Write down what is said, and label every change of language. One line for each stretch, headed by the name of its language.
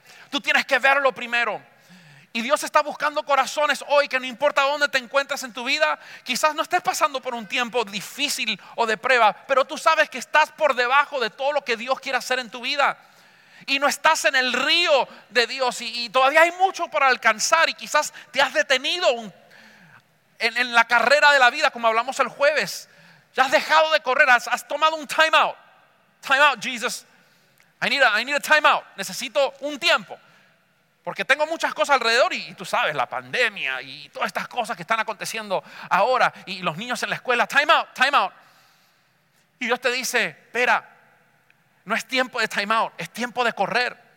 Spanish: Tú tienes que verlo primero. Y Dios está buscando corazones hoy, que no importa dónde te encuentres en tu vida, quizás no estés pasando por un tiempo difícil o de prueba, pero tú sabes que estás por debajo de todo lo que Dios quiere hacer en tu vida. y no estás en el río de Dios y todavía hay mucho para alcanzar y quizás te has detenido en la carrera de la vida, como hablamos el jueves. Ya has dejado de correr, has tomado un time out.
English: Time out, Jesus. I need a time out.
Spanish: Necesito un tiempo. Porque tengo muchas cosas alrededor y tú sabes, la pandemia y todas estas cosas que están aconteciendo ahora y los niños en la escuela. Time out, time out. Y Dios te dice, espera, no es tiempo de time out, es tiempo de correr.